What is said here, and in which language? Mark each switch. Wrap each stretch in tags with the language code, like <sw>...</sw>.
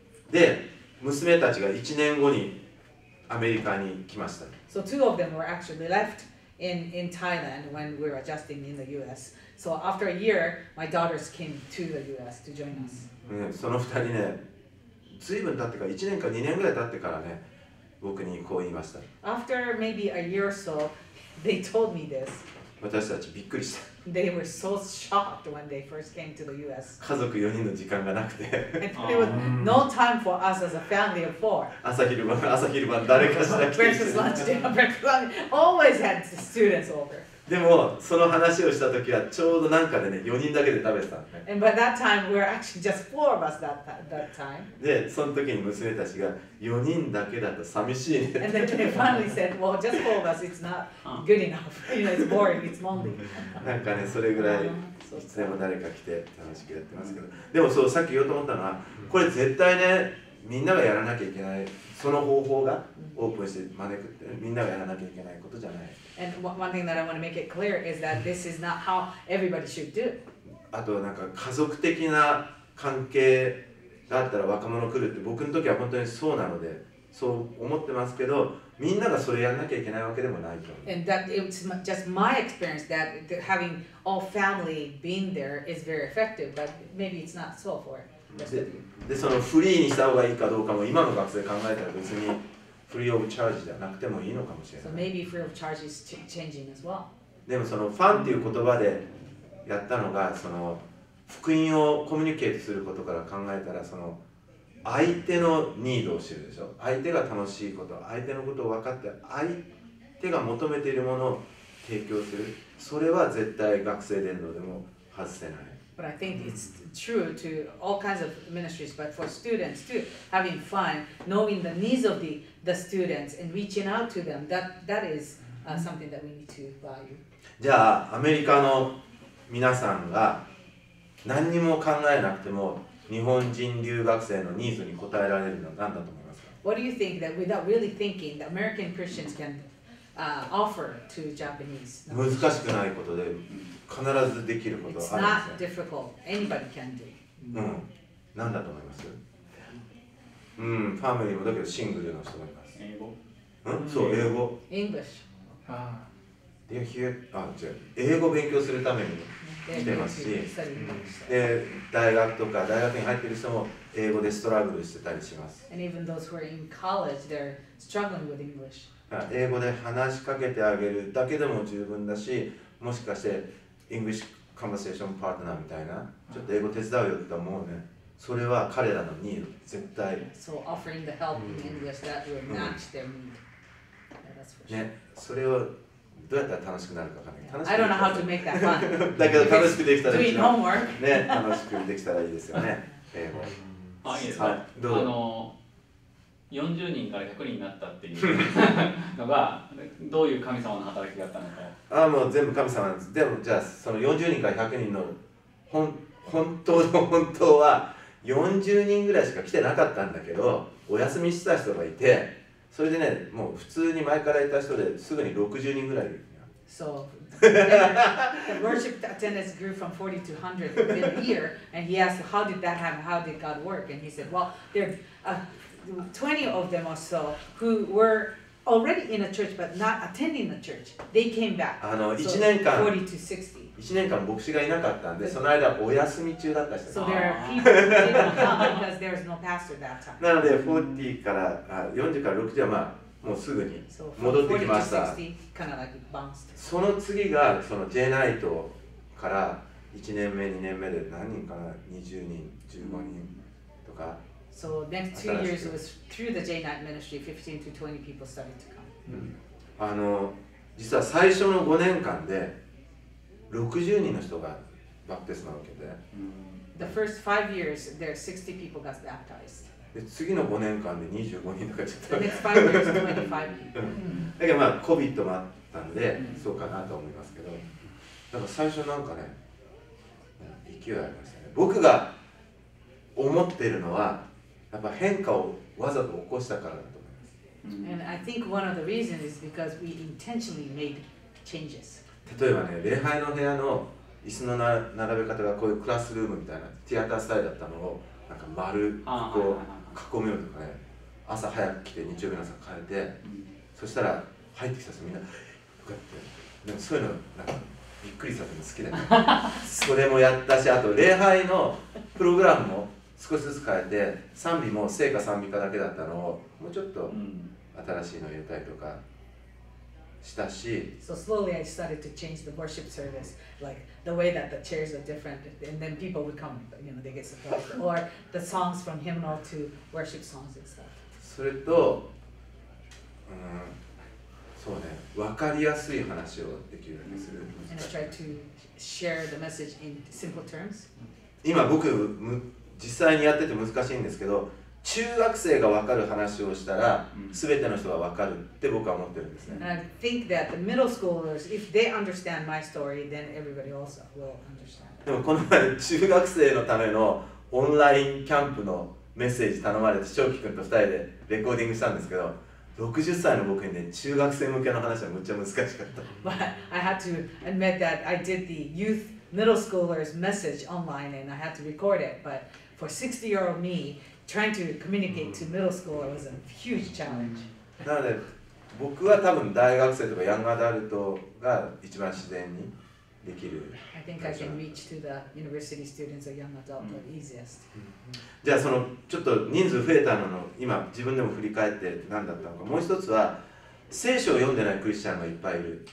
<ja>で、娘たちが1年後にアメリカに来ました。</ja> <en>So two of them were actually left in Thailand when we were adjusting in the U.S. So after a year, my daughters came to the U.S. to join us.</en> <ja>その2人ね、ずいぶん経ってから、1年か2年ぐらい経ってからね、僕にこう言いました。</ja> <en>After maybe a year or so, they told me this.</en> <ja>私たちびっくりした。</ja> <en>They were so shocked when they first came to the U.S.</en> <ja>家族4人の時間がなくて。</ja> <en>And there was no time for us as a family of four.</en> <ja>朝昼晩誰かしら来て。</ja> <en>Breakfast, lunch, dinner, breakfast. Always had students over.</en> <ja>でもその話をしたときはちょうどなんかでね、4人だけで食べてたんで。</ja> <en>And by that time, we were actually just four of us that time.</en> <ja>で、その時に娘たちが4人だけだと寂しいね。</ja> <en>And then they finally said, well, just four of us, it's not good enough. You know, it's boring, it's lonely.</en> <ja>なんかね、それぐらいいつでも誰か来て楽しくやってますけど。でもそう、さっき言おうと思ったのは、これ絶対ね、みんながやらなきゃいけない、その方法がオープンして招くって、みんながやらなきゃいけないことじゃない。</ja> <en>And one thing that I want to make it clear is that this is not how everybody should do.</en> <ja>あとなんか家族的な関係だったら若者来るって僕の時は本当にそうなのでそう思ってますけど、みんながそれやんなきゃいけないわけでもないと。</ja> <en>And that it's just my experience that having all family being there is very effective, but maybe it's not so for rest of you.</en> <ja>で、そのフリーにした方がいいかどうかも今の学生考えたら別にフリーオブチャージじゃなくてもいいのかもしれない。</ja> <en>So maybe free of charge is changing as well.</en> <ja>でもそのファンっていう言葉でやったのが、その福音をコミュニケートすることから考えたら、その相手のニードを知るでしょ。相手が楽しいこと、相手のことを分かって、相手が求めているものを提供する。それは絶対学生伝道でも外せない。</ja> <en>But I think it's true to all kinds of ministries, but for students too, having fun, knowing the needs of the students and reaching out to them, that is something that we need to value.</en> <ja>じゃあ、アメリカの皆さんが何にも考えなくても、日本人留学生のニーズに応えられるのは何だと思いますか?</ja> <en>What do you think that without really thinking, the American Christians can offer to Japanese?</en> <ja>難しくないことで、必ずできることはあるんです</ja> <en>ね。It's not difficult. Anybody can do.</en> <ja>うん。何だと思います?うん。ファミリーもだけど、シングルの人もいます。英語? うん、そう、英語。</ja> <en>English. They're here.</en> <ja>あ、違う。英語勉強するために。来てますし、で大学とか大学に入っている人も英語でストラグルしてたりします。</ja> <en>And even those who are in college, they're struggling with English.</en> <ja>英語で話しかけてあげるだけでも十分だし、もしかして</ja> <en>English conversation partner</en> <ja>みたいな、ちょっと英語手伝うよって思うね。それは彼らのニード、絶対。</ja> <en>So offering the help in English that will match their need. Yeah, that's for sure.</en> <ja>ね、それをどうやったら楽しくなるかわかんない。</ja> <en>I don't know how to make that fun.</en> <ja>だけど楽しくできたらいいですよね。ね、楽しくできたらいいですよね。英語。あ、いいですか。どう。 40人から100人になったっていうのがどういう神様の働きだったのか。あ、もう全部神様なんです。でもじゃあその40人から100人の本当は40人ぐらいしか来てなかったんだけど、お休みした人がいて。それでね、もう普通に前からいた人ですぐに60人ぐらい。</ja> <en>So, the worship attendance grew from 40 to 100 in a year, and he asked, how did that happen? How did God work? And he said, well, there are 20 of them or so who were already in a church but not attending the church. They came back.</en> <ja>あの、1年間、</ja> <en>so, 40 to 60.</en> <ja>1年間牧師がいなかったんで、その間お休み中だった人。</ja> <en>So there are people who didn't come because there was no pastor that time.</en> <ja>なので40から、40から60はまあもうすぐに戻ってきました。</ja> <en>So, 40 to 60, kind of like、</en> <ja>その次がそのジェナイトから1年目、2年目で何人かな ?20 人、15人とか。</ja> <en>So next 2 years was through the J-Night ministry, 15 to 20 people started to come.</en> <ja>あの、実は最初の5年間で60人の人がバプテスマを受けて。</ja> <en>The first 5 years, there are 60 people got baptized.</en> <ja>で次の5年間で25人とかちょっと。</ja> <en>The next 5 years, 25 people.</en> <ja>だけどまあ、COVID もあったんで、そうかなと思いますけど、なんか最初なんかね、勢いありましたね。僕が思ってるのは、やっぱ変化をわざと起こしたからだと思います。</ja> <en>And I think one of the reasons is because we intentionally made changes.</en> <ja>例えばね、礼拝の部屋の椅子の並べ方がこういうクラスルームみたいな、ティアタースタイルだったのを、なんか丸くこう囲むようとかね、朝早く来て、日曜日の朝帰って、そしたら入ってきた人みんな、とかって、でもそういうの、なんかびっくりさせるの好きだね。それもやったし、あと礼拝のプログラムも少しずつ変えて、賛美も聖歌賛美歌だけだったのを、もうちょっと新しいの入れたりとか。したし、</ja> <en>so slowly I started to change the worship service, like the way that the chairs are different, and then people would come, you know, they get surprised, or the songs from hymnal to worship songs and stuff.</en> <ja>それと、そうね、わかりやすい話をできるようにする。</ja> <en>And I tried to share the message in simple terms.</en> <ja>今僕実際にやってて難しいんですけど。中学生が分かる話をしたら、すべての人が分かるって僕は思ってるんですね。</ja> <en>I think that the middle schoolers, if they understand my story, then everybody also will understand.</en> <ja>でもこの前、中学生のためのオンラインキャンプのメッセージ頼まれて、翔輝くんと二人でレコーディングしたんですけど、60歳の僕にね、中学生向けの話はむっちゃ難しかった。</ja> <en>But I had to admit that I did the youth middle schoolers message online and I had to record it, but for 60-year-old me, trying to communicate to middle school was a huge challenge.</en> <ja>なので僕は多分大学生とかヤングアダルトが一番自然にできる。</ja> <en>I think I can reach to the university students or young adult the easiest.</en> <ja>じゃあそのちょっと人数増えたのの今自分でも振り返って何だったのか。もう一つは聖書を読んでないクリスチャンがいっぱいいる。</ja>